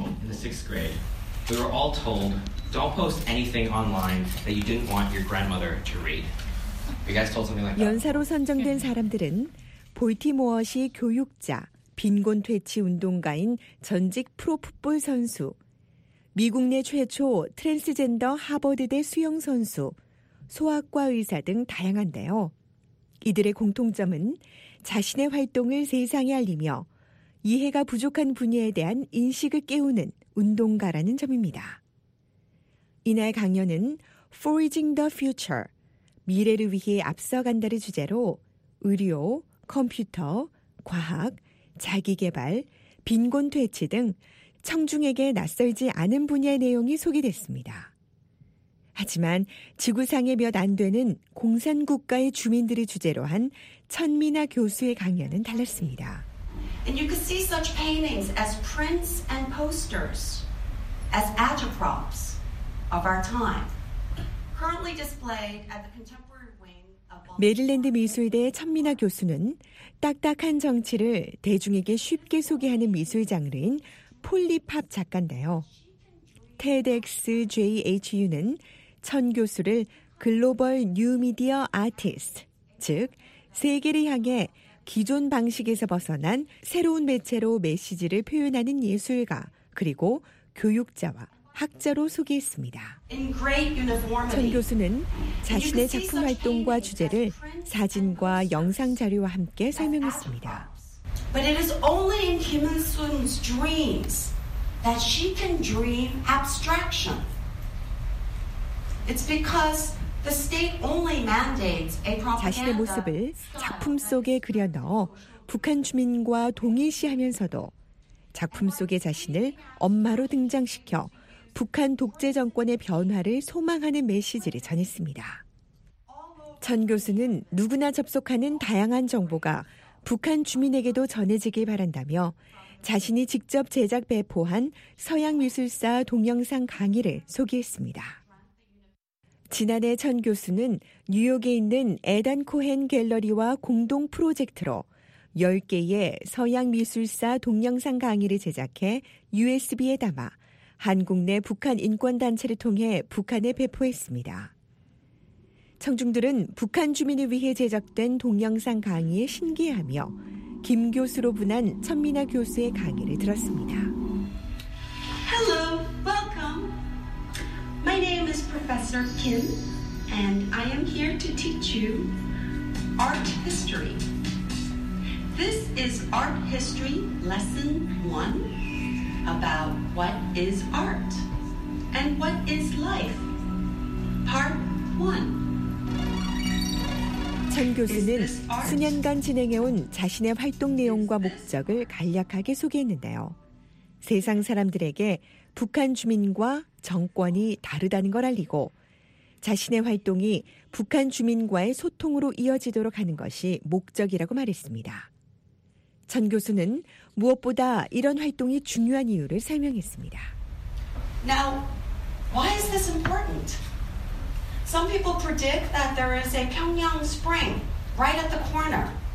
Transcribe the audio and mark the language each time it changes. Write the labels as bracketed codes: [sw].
[en] 6th grade, we were all told, don't post anything online that you didn't want your grandmother to read. You guys told something like that. [ko] 연사로 선정된 사람들은 볼티모어시 교육자, 빈곤 퇴치 운동가인 전직 프로풋볼 선수, 미국 내 최초 트랜스젠더 하버드대 수영 선수, 소아과 의사 등 다양한데요. 이들의 공통점은 자신의 활동을 세상에 알리며 이해가 부족한 분야에 대한 인식을 깨우는 운동가라는 점입니다. 이날 강연은 [en] Forging the Future, [ko] 미래를 위해 앞서간다를 주제로 의료, 컴퓨터, 과학, 자기개발, 빈곤 퇴치 등 청중에게 낯설지 않은 분야의 내용이 소개됐습니다. 하지만 지구상에 몇 안 되는 공산국가의 주민들을 주제로 한 천미나 교수의 강연은 달랐습니다. [en] And you could see such paintings as prints and posters, as agitprops of our time, currently displayed at the contemporary wing of. [ko] 메릴랜드 미술대의 천미나 교수는 딱딱한 정치를 대중에게 쉽게 소개하는 미술 장르인 폴리팝 작가인데요. TEDxJHU는 천 교수를 글로벌 뉴 미디어 아티스트, 즉 세계를 향해 기존 방식에서 벗어난 새로운 매체로 메시지를 표현하는 예술가 그리고 교육자와 학자로 소개했습니다. 천 교수는 자신의 작품 활동과 주제를 사진과 영상 자료와 함께 설명했습니다. [en] But it is only in Kim Il-sung's dreams that she can dream abstraction. It's because the state only mandates a propaganda. [ko] 자신의 모습을 작품 속에 그려 넣어 북한 주민과 동일시하면서도 작품 속의 자신을 엄마로 등장시켜 북한 독재 정권의 변화를 소망하는 메시지를 전했습니다. 천 교수는 누구나 접속하는 다양한 정보가 북한 주민에게도 전해지길 바란다며 자신이 직접 제작 배포한 서양 미술사 동영상 강의를 소개했습니다. 지난해 천 교수는 뉴욕에 있는 에단 코헨 갤러리와 공동 프로젝트로 10개의 서양 미술사 동영상 강의를 제작해 USB에 담아 한국 내 북한 인권단체를 통해 북한에 배포했습니다. 청중들은 북한 주민을 위해 제작된 동영상 강의에 신기하며 김 교수로 분한 천미나 교수의 강의를 들었습니다. [en] Hello, welcome. My name is Professor Kim, and I am here to teach you art history. This is art history lesson one about what is art and what is life, part one. [ko] 천 교수는 수년간 진행해온 자신의 활동 내용과 목적을 간략하게 소개했는데요. 세상 사람들에게 북한 주민과 정권이 다르다는 걸 알리고 자신의 활동이 북한 주민과의 소통으로 이어지도록 하는 것이 목적이라고 말했습니다. 천 교수는 무엇보다 이런 활동이 중요한 이유를 설명했습니다. [en] Now, why is this important? Some people predict that there is a Pyongyang spring right at the corner.